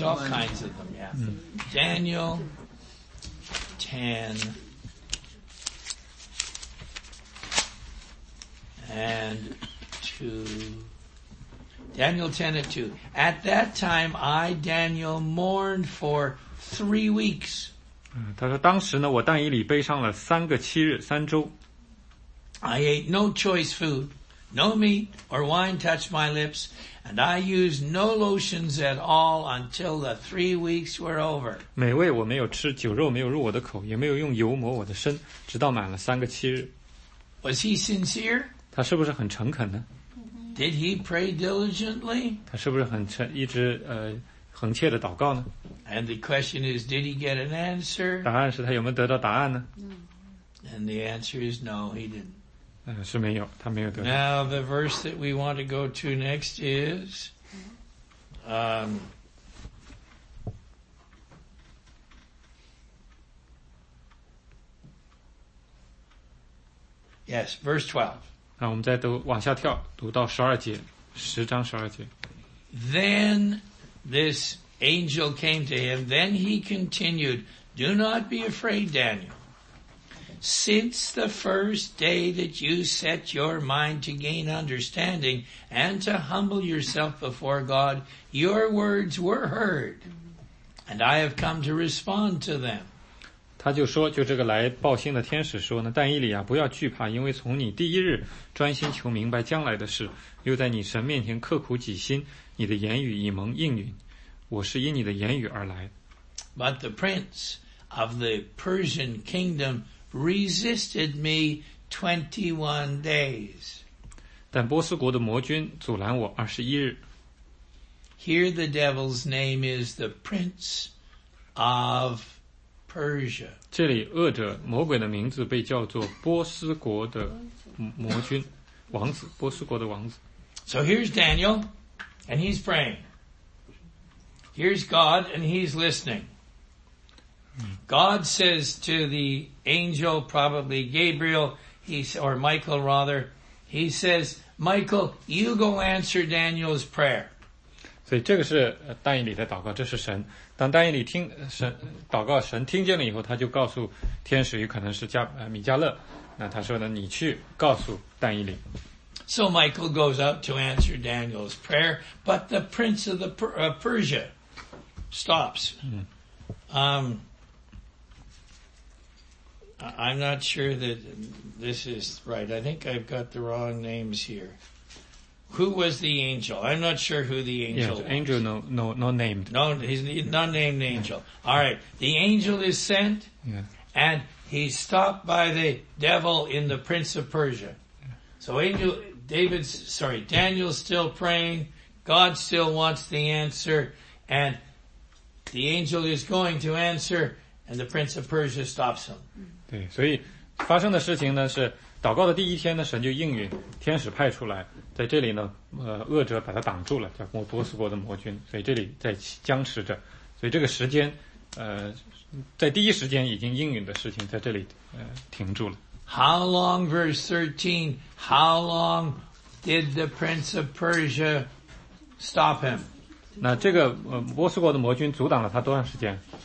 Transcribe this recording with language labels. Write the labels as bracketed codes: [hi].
[en] There's all kinds of them, yeah. Daniel 10 and 2. Daniel 10 and 2. At that time, I, Daniel, mourned for 3 weeks. [zh] 他说当时呢我但以理悲伤了三个七日三周。 [en] I ate no choice food, no meat or wine touched my lips, and I used no lotions at all until the 3 weeks were over. [zh] 美味我没有吃，酒肉没有入我的口，也没有用油抹我的身，直到满了三个七日。 [en] Was he sincere? [zh] 他是不是很诚恳呢？ [en] Did he pray diligently? [zh] 他是不是很一直恒切的祷告呢？ [en] And the question is, did he get an answer? [zh] 答案是他有没有得到答案呢？ [en] And the answer is no, he didn't. [zh] 是没有，他没有得到。 [en] Now the verse that we want to go to next is, yes, verse 12. [zh] 那我们再读往下跳，读到十二节，十章十二节。 [en] Then this angel came to him. Then he continued, "Do not be afraid, Daniel." Since the first day that you set your mind to gain understanding and to humble yourself before God, your words were heard, and I have come to respond to them. [zh] 他就说，就这个来报信的天使说呢，但以理啊，不要惧怕，因为从你第一日专心求明白将来的事，又在你神面前刻苦己心，你的言语已蒙应允，我是因你的言语而来。 [en] But the prince of the Persian kingdom resisted me 21 days. [zh] 但波斯国的魔君阻拦我21日。 [en] Here the devil's name is the prince of Persia. [zh] 这里恶者魔鬼的名字被叫做波斯国的魔君王子波斯国的王子。 [en] So here's Daniel and he's praying. Here's God and he's listening. God says to the angel, probably Gabriel, or Michael rather, he says, Michael, you go answer Daniel's prayer. [zh] 所以这个是但以理的祷告，这是神。当但以理听神祷告，神听见了以后，他就告诉天使，也可能是米迦勒。那他说呢，你去告诉但以理。 [en] So Michael goes out to answer Daniel's prayer, but the prince of the Persia stops. I'm not sure that this is right. I think I've got the wrong names here. Who was the angel? I'm not sure who the angel was. Angel, no named. No, he's not named angel. Yeah. All right. The angel is sent, and he's stopped by the devil in the prince of Persia. So Daniel's still praying. God still wants the answer, and the angel is going to answer, and the prince of Persia stops him. [zh] 对，所以发生的事情呢，是祷告的第一天呢，神就应允，天使派出来，在这里呢，恶者把他挡住了，叫波斯国的魔君，所以这里在僵持着。所以这个时间，在第一时间已经应允的事情，在这里停住了。 [en] How long, verse 13? How long did the prince of Persia stop him? [zh] 那这个波斯国的魔君阻挡了他多长时间？